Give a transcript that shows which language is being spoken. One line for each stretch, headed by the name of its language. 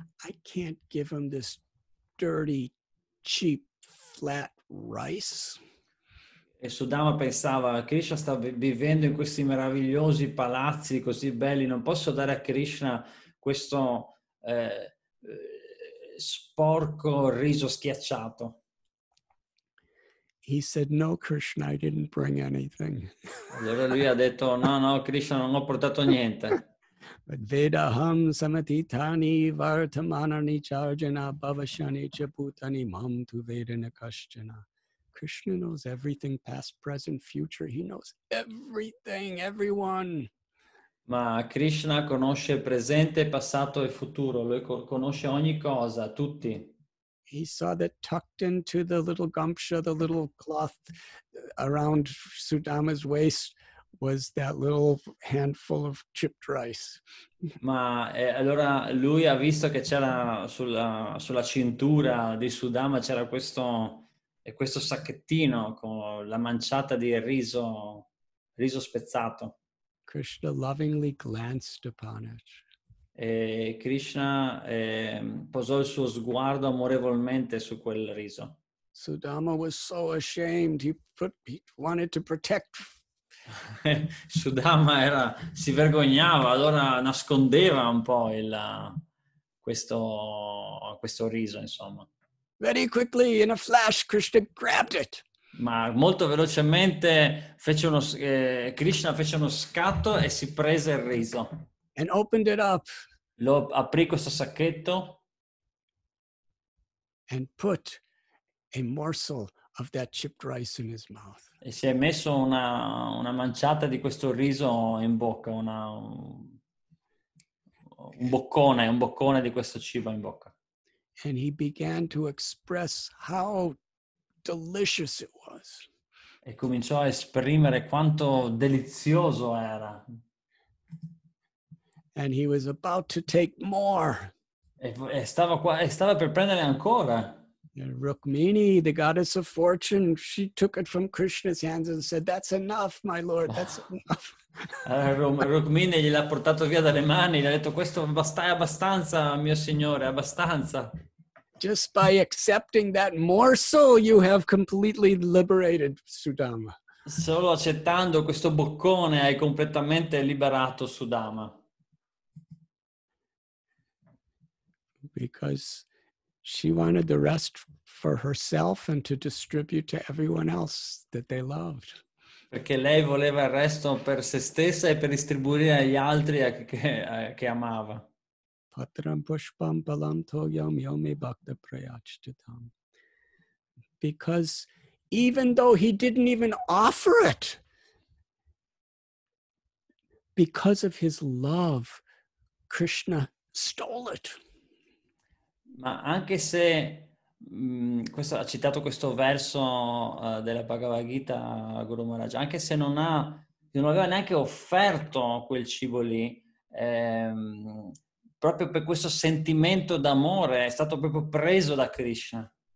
English: I can't give him this dirty, cheap, flat rice.
Italian: E Sudama pensava, Krishna sta vivendo in questi meravigliosi palazzi così belli, non posso dare a Krishna questo sporco riso schiacciato.
English: He said, "No, Krishna, I didn't bring anything."
Italian: Allora lui ha detto, no, Krishna, non ho portato niente.
Sanskrit: Vedaham samatitani vartamanani charjana bhavashani chaputani mam tu vedana kashchana.
English: Krishna knows everything, past, present, future. He knows everything, everyone.
Italian: Ma Krishna conosce presente, passato e futuro. Lui conosce ogni cosa, tutti.
English: He saw that tucked into the little gumsha, the little cloth around Sudama's waist, was that little handful of chipped rice.
Italian: Ma allora lui ha visto che c'era sulla cintura di Sudama c'era questo sacchettino con la manciata di riso spezzato.
English: Krishna lovingly glanced upon it.
Italian: E Krishna posò il suo sguardo amorevolmente su quel riso.
English: Sudama was so ashamed, he wanted to protect.
Italian: Sudama si vergognava, allora nascondeva un po' questo riso, insomma.
English: Very quickly, in a flash, Krishna grabbed it.
Italian: Ma molto velocemente Krishna fece uno scatto e si prese il riso.
English: And opened it up.
Italian: Lo aprì questo sacchetto.
English: And put a morsel of that chipped rice in his mouth.
Italian: E si è messo una manciata di questo riso in bocca, un boccone di questo cibo in bocca.
English: And he began to express how delicious it was.
Italian: E cominciò a esprimere quanto delizioso era.
English: And he was about to take more.
Italian: E stava per prendere ancora.
English: Rukmini, the goddess of fortune, she took it from Krishna's hands and said, "That's enough, my lord, that's enough."
Italian: Rukmini gliel'ha portato via dalle mani, gli ha detto, "Questo è abbastanza, mio signore, abbastanza."
English: Just by accepting that morsel, you have completely liberated Sudama.
Italian: Solo accettando questo boccone hai completamente liberato Sudama.
English: Because she wanted the rest for herself and to distribute to everyone else that they loved.
Italian: Perché lei voleva il resto per se stessa e per distribuire agli altri che amava.
Sanskrit: Patram pushpam palam toyam yomi bhakta prayachitam.
English: Because even though he didn't even offer it, because of his love, Krishna stole it.
Italian: Ma anche se questo ha citato questo verso della Bhagavad Gita Guru Maharaj, anche se non aveva neanche offerto quel cibo lì, proprio per questo sentimento d'amore è stato proprio preso da Krishna.